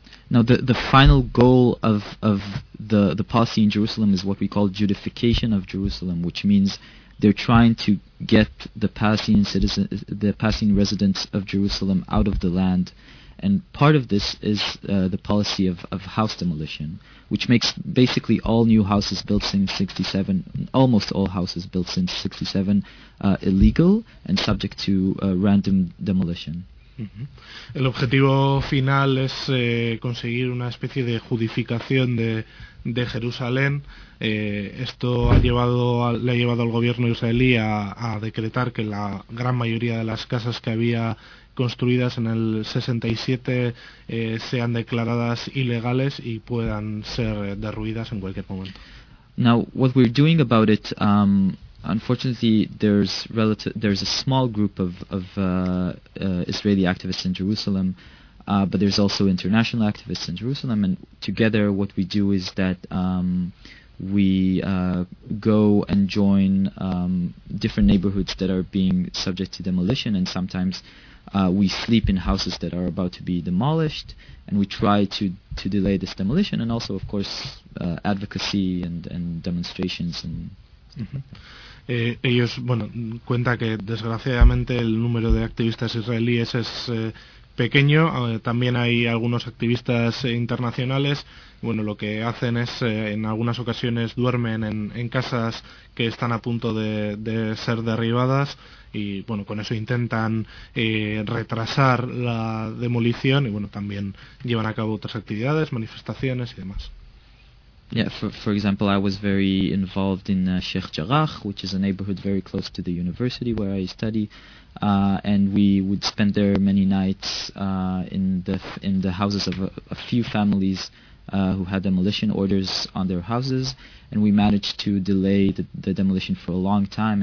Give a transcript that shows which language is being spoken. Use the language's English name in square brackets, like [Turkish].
[English] Now the final goal of the policy in Jerusalem is what we call Judification of Jerusalem, which means they're trying to get the Palestinian residents of Jerusalem out of the land, and part of this is the policy of house demolition, which makes basically all new houses built since 67, almost all houses built since 67, illegal and subject to random demolition. [Spanish] El objetivo final es conseguir una especie de judificación de Jerusalén. Esto le ha llevado al gobierno israelí a decretar que la gran mayoría de las casas que había construidas en el 67 sean declaradas ilegales y puedan ser derruidas en cualquier momento. [English] Now, what we're doing about it, unfortunately, there's a small group of Israeli activists in Jerusalem, but there's also international activists in Jerusalem. And together, what we do is that we go and join different neighborhoods that are being subject to demolition, and sometimes we sleep in houses that are about to be demolished, and we try to delay this demolition, and also, of course, advocacy and demonstrations and. Uh-huh. [Spanish] Ellos, bueno, cuenta que desgraciadamente el número de activistas israelíes es pequeño. También hay algunos activistas internacionales. Bueno, lo que hacen es, en algunas ocasiones, duermen en casas que están a punto de ser derribadas. Y bueno, con eso intentan retrasar la demolición. Y bueno, también llevan a cabo otras actividades, manifestaciones y demás. [English] Yeah, for example, I was very involved in Sheikh Jarrah, which is a neighborhood very close to the university where I study, and we would spend there many nights in the houses of a few families who had demolition orders on their houses, and we managed to delay the demolition for a long time.